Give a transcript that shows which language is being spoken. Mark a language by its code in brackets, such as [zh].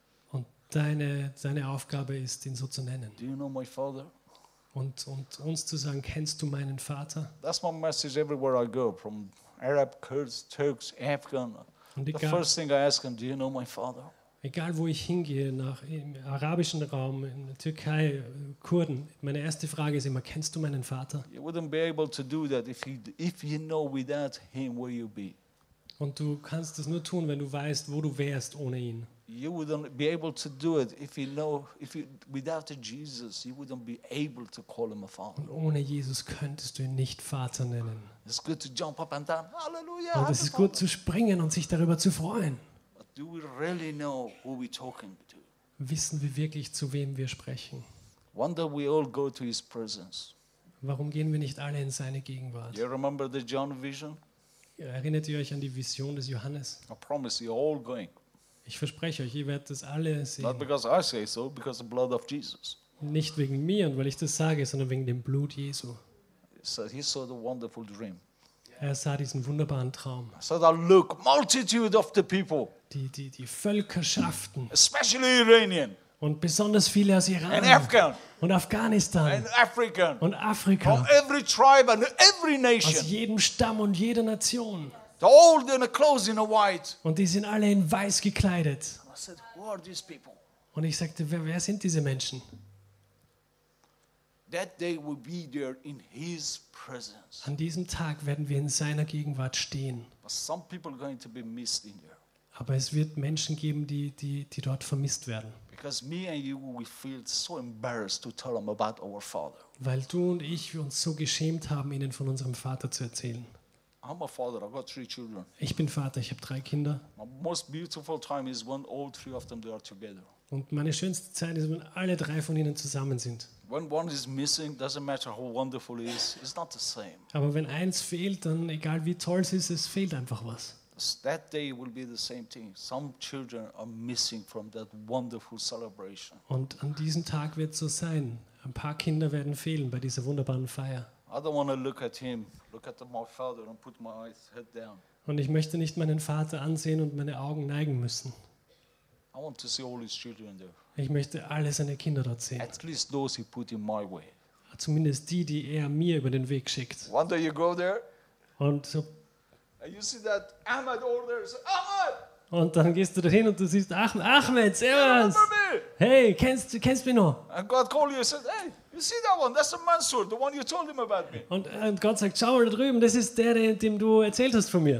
[de] Und deine Aufgabe ist, ihn so zu nennen. [en] Do you know my father? [de] und uns zu sagen, kennst du meinen Vater? [en] That's my message everywhere I go, from Arab, Kurds, Turks, Afghan. [de] Und egal, [en] the first thing I ask him, do you know my father? [de] Egal wo ich hingehe, nach im arabischen Raum, in der Türkei, Kurden, meine erste Frage ist immer, kennst du meinen Vater? [en] You wouldn't be able to do that if you know without him where you be. [de] Und du kannst es nur tun, wenn du weißt, wo du wärst ohne ihn. [en] You wouldn't be able to do it if you without Jesus, you wouldn't be able to call him a father. [de] Und ohne Jesus könntest du ihn nicht Vater nennen. [en] It's good to jump up and down. Hallelujah. [de] Und es ist gut zu springen und sich darüber zu freuen. [en] But do we really know who we talking to? [de] Wissen wir wirklich, zu wem wir sprechen? [en] Wonder we all go to his presence. [de] Warum gehen wir nicht alle in seine Gegenwart? [en] You remember the John vision? [de] Erinnert ihr euch an die Vision des Johannes? [en] I promise you all going. [de] Ich verspreche euch, ihr werdet das alle sehen. [en] Not because I say so, because the blood of Jesus. [de] Nicht wegen mir und weil ich das sage, sondern wegen dem Blut Jesu. [en] So he saw the wonderful dream. [de] Er sah diesen wunderbaren Traum. [en] So that look, multitude of the people. [de] Die Völkerschaften. [en] Especially Iranian. [de] Und besonders viele aus Iran [en] and Afghan, [de] und Afghanistan [en] and African, [de] und Afrika, [en] from every tribe and every nation, [de] aus jedem Stamm und jeder Nation, [en] all in a clothes in a white, [de] und die sind alle in weiß gekleidet. [en] I said, who are these people? [de] Und ich sagte, wer sind diese Menschen? [en] That day will be there in his presence. [de] An diesem Tag werden wir in seiner Gegenwart stehen. [en] But some people are going to be missed in there. [de] Aber es wird Menschen geben, die dort vermisst werden. [en] Because me and you, we feel so embarrassed to tell them about our father. [de] Weil du und ich uns so geschämt haben, ihnen von unserem Vater zu erzählen. [en] I'm a father. I've got 3 children. [de] Ich bin Vater. Ich habe 3 Kinder. [en] My most beautiful time is when all 3 of them are together. [de] Und meine schönste Zeit ist, wenn alle 3 von ihnen zusammen sind. [en] When one is missing, doesn't matter how wonderful it is, it's not the same. [de] Aber wenn eins fehlt, dann egal wie toll es ist, es fehlt einfach was. [en] That day will be the same thing. Some children are missing from that wonderful celebration. [de] Und an diesem Tag wird so sein. Ein paar Kinder werden fehlen bei dieser wunderbaren Feier. [en] I don't want to look at him, look at my father and put my eyes head down. [de] Und ich möchte nicht meinen Vater ansehen und meine Augen neigen müssen. [en] I want to see all his children there. [de] Ich möchte alle seine Kinder dort sehen. [en] At least those he put in my way. [de] Zumindest die er mir über den Weg schickt. [en] One day you go there. [de] Und so. [en] You see that Ahmed over there. So, Ahmed! [de] Und dann gehst du dahin und du siehst Ahmed, servus. Hey, kennst du mich noch? [en] And God called you and said, hey, you see that one? That's the Mansur, the one you told him about me. [de] Und Gott sagt, schau mal da drüben, das ist der, dem du erzählt hast von mir.